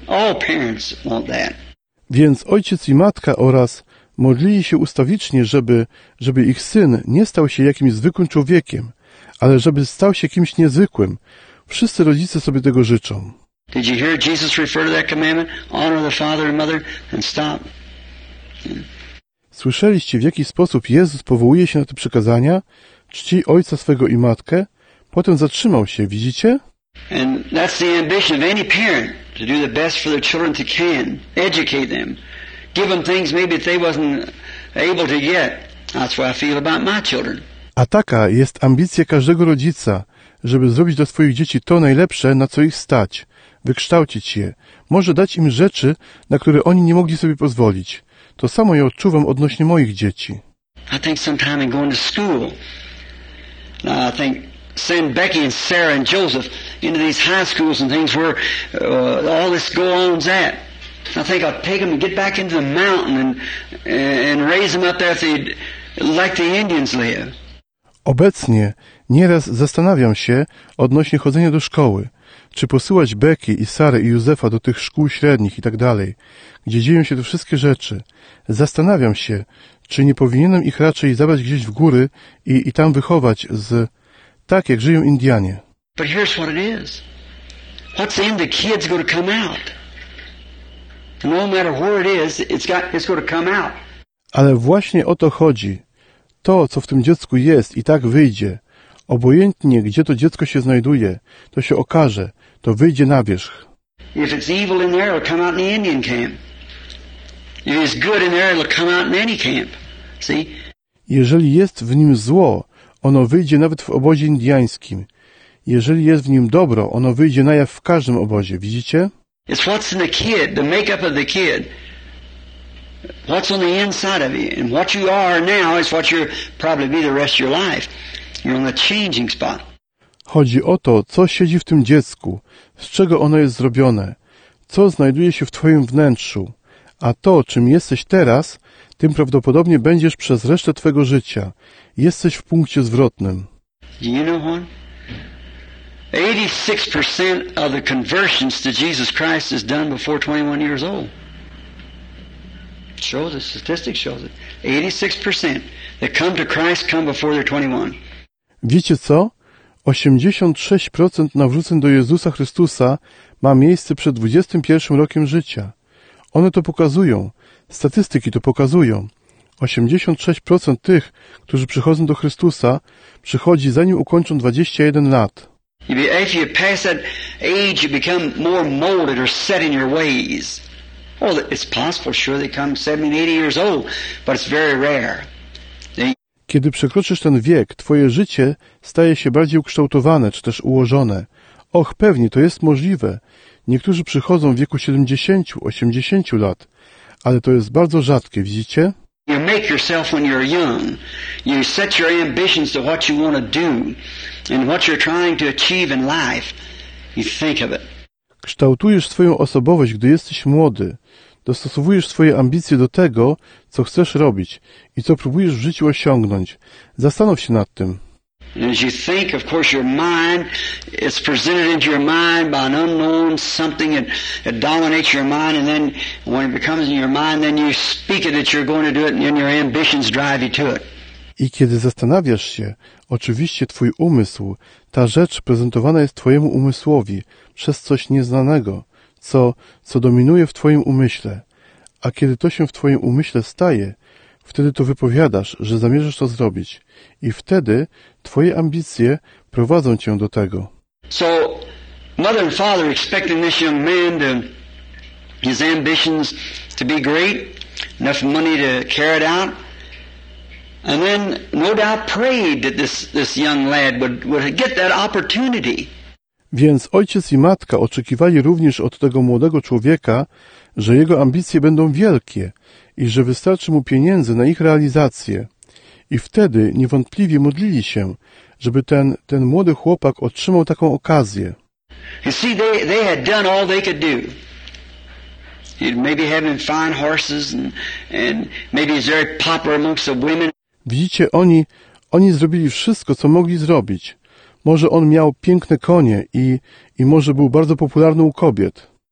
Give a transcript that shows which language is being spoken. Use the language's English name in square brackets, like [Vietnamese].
[English] All parents want that. [Polish] Więc ojciec i matka oraz modlili się ustawicznie, żeby ich syn nie stał się jakimś zwykłym człowiekiem, ale żeby stał się kimś niezwykłym. Wszyscy rodzice sobie tego życzą. [English] Did you hear Jesus refer to that commandment? Honor the father and mother and stop. [Polish] Słyszeliście, w jaki sposób Jezus powołuje się na te przykazania? Czci ojca swego i matkę. Potem zatrzymał się, widzicie? [English] And that's the ambition of any parent, to do the best for their children they can. Educate them. Give them things maybe they wasn't able to get. That's what I feel about my children. [Polish] A taka jest ambicja każdego rodzica, żeby zrobić dla swoich dzieci to najlepsze, na co ich stać, wykształcić je, może dać im rzeczy, na które oni nie mogli sobie pozwolić. To samo ja odczuwam odnośnie moich dzieci. [English] I think sometime in going to school, I think send Becky and Sarah and Joseph into these high schools and things where all this go on's at. I think I'll take them and get back into the mountain and raise them up there like the Indians live. [Polish] Obecnie nieraz zastanawiam się odnośnie chodzenia do szkoły, czy posyłać Becky i Sary i Józefa do tych szkół średnich i tak dalej, gdzie dzieją się te wszystkie rzeczy. Zastanawiam się, czy nie powinienem ich raczej zabrać gdzieś w góry i tam wychować z tak jak żyją Indianie. [English] But here's what it is. What's in the kid's going to come out. No matter where it is, it's going to come out. [Polish] Ale właśnie o to chodzi. To, co w tym dziecku jest, i tak wyjdzie. Obojętnie, gdzie to dziecko się znajduje, to się okaże, to wyjdzie na wierzch. [English] If it's evil in there, it'll come out in the Indian camp. If it's good in there, it'll come out in any camp. See? [Polish] Jeżeli jest w nim zło, ono wyjdzie nawet w obozie indiańskim. Jeżeli jest w nim dobro, ono wyjdzie na jaw w każdym obozie. Widzicie? [English] It's what's in the kid, the makeup of the kid. What's on the inside of you? And what you are now is what you'll probably be the rest of your life. You're on the changing spot. [Polish] Chodzi o to, co siedzi w tym dziecku, z czego ono jest zrobione, co znajduje się w twoim wnętrzu, a to, czym jesteś teraz, tym prawdopodobnie będziesz przez resztę twojego życia. Jesteś w punkcie zwrotnym. [English] Do you know what? 86% of the conversions to Jesus Christ is done before 21 years old. Shows it, statistics shows it. 86% that come to Christ come before they're 21. [Polish] Wiecie co? 86% nawróceń do Jezusa Chrystusa ma miejsce przed 21 rokiem życia. One to pokazują. Statystyki to pokazują. 86% tych, którzy przychodzą do Chrystusa, przychodzi zanim ukończą 21 lat. [English] If you pass that age, you become more molded or set in your ways. Well, it's possible, sure, they come 70, 80 years old, but it's very rare. [Polish] Kiedy przekroczysz ten wiek, twoje życie staje się bardziej ukształtowane, czy też ułożone. Och, pewnie, to jest możliwe. Niektórzy przychodzą w wieku 70, 80 lat, ale to jest bardzo rzadkie, widzicie? [English] You make yourself when you're young. You set your ambitions to what you want to do and what you're trying to achieve in life. You think of it. [Polish] Kształtujesz swoją osobowość, gdy jesteś młody. Dostosowujesz swoje ambicje do tego, co chcesz robić i co próbujesz w życiu osiągnąć. Zastanów się nad tym. [English] As you think, of course, your mind is presented into your mind by an unknown something that dominates your mind, and then when it becomes in your mind, then you speak it that you're going to do it, and your ambitions drive you to it. [Polish] I kiedy zastanawiasz się, oczywiście twój umysł, ta rzecz prezentowana jest twojemu umysłowi przez coś nieznanego, co dominuje w twoim umyśle. A kiedy to się w twoim umyśle staje, wtedy to wypowiadasz, że zamierzasz to zrobić. I wtedy twoje ambicje prowadzą cię do tego. [English] So, mother and father expecting this young man to, his ambitions to be great, enough money to carry it out. And then, no doubt, prayed that this young lad would get that opportunity. [Polish] Więc ojciec i matka oczekiwali również od tego młodego człowieka, że jego ambicje będą wielkie i że wystarczy mu pieniędzy na ich realizację. I wtedy niewątpliwie modlili się, żeby ten młody chłopak otrzymał taką okazję. [English] You see, they had done all they could do. Maybe having fine horses and maybe he's very popular amongst the women. [Polish] Widzicie, oni zrobili wszystko, co mogli zrobić. Może on miał piękne konie i może był bardzo popularny u kobiet.